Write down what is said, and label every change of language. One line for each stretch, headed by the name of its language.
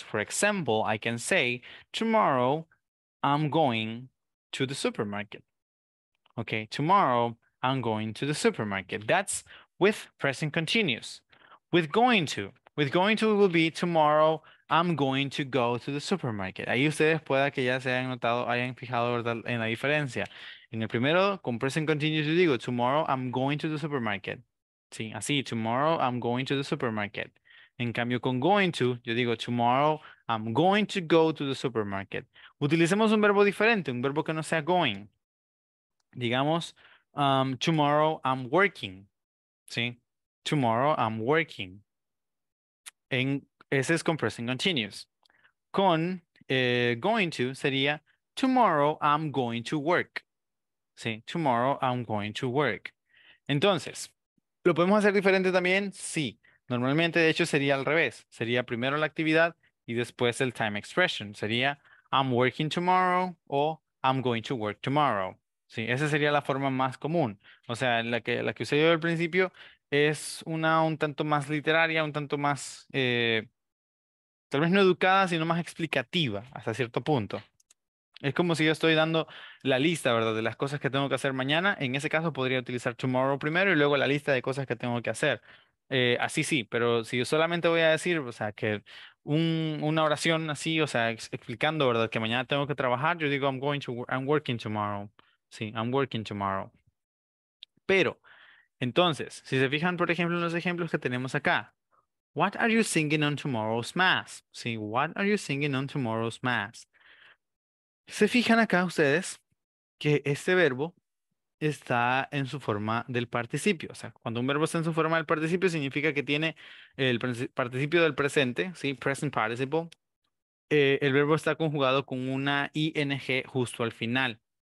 English: For example, I can say, tomorrow I'm going to the supermarket. Okay, tomorrow I'm going to the supermarket. That's with present continuous. With going to will be, tomorrow I'm going to go to the supermarket.
Spanish: Ahí ustedes pueda que ya se hayan notado, hayan fijado en la diferencia. En el primero, con present continuous, yo digo,
English: tomorrow I'm going to the supermarket. Sí, así, tomorrow I'm going to the supermarket.
Spanish: En cambio con going to, yo digo
English: tomorrow I'm going to go to the supermarket.
Spanish: Utilicemos un verbo diferente, un verbo que no sea going. Digamos,
English: tomorrow I'm working.
Spanish: ¿Sí?
English: Tomorrow I'm working.
Spanish: En, ese es con present continuous.
English: Con going to sería tomorrow I'm going to work.
Spanish: ¿Sí?
English: Tomorrow I'm going to work.
Spanish: Entonces, ¿lo podemos hacer diferente también? Sí. Normalmente, de hecho, sería al revés. Sería primero la actividad y después el time expression.
English: Sería I'm working tomorrow o I'm going to work tomorrow.
Spanish: Sí, esa sería la forma más común. O sea, la que usé yo al principio es una un tanto más literaria, un tanto más, tal vez no educada, sino más explicativa hasta cierto punto. Es como si yo estoy dando la lista, ¿verdad? De las cosas que tengo que hacer mañana. En ese caso podría utilizar tomorrow primero y luego la lista de cosas que tengo que hacer. Así sí, pero si yo solamente voy a decir, o sea, que una oración así, o sea, explicando, ¿verdad? Que mañana tengo que trabajar, yo digo,
English: I'm working tomorrow.
Spanish: Sí, I'm working tomorrow. Pero, entonces, si se fijan, por ejemplo, en los ejemplos que tenemos acá.
English: What are you singing on tomorrow's mass? Sí, what are you singing on tomorrow's mass?
Spanish: Se fijan acá ustedes que este verbo está en su forma del participio. O sea, cuando un verbo está en su forma del participio, significa que tiene el participio del presente, ¿sí? Present participle. El verbo está conjugado con una ing justo al final.